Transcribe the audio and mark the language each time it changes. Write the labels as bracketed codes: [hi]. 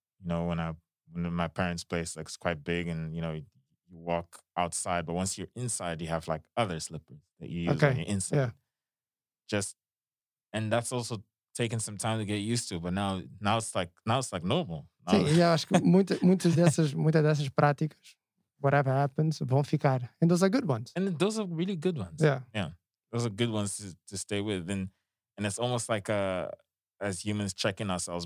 [en] When my parents' place, like, it's quite big and, you walk outside. But once you're inside, you have, like, other slippers that you use when you're inside. Yeah. And that's also taking some time to get used to. But now it's like normal. Now, [pt] sim, yeah, acho que muitas dessas práticas, [en] whatever happens, [pt] vão ficar. [en] And those are good ones. And those are really good ones. Yeah. Yeah. Those are good ones to stay with. And it's almost like as humans checking ourselves.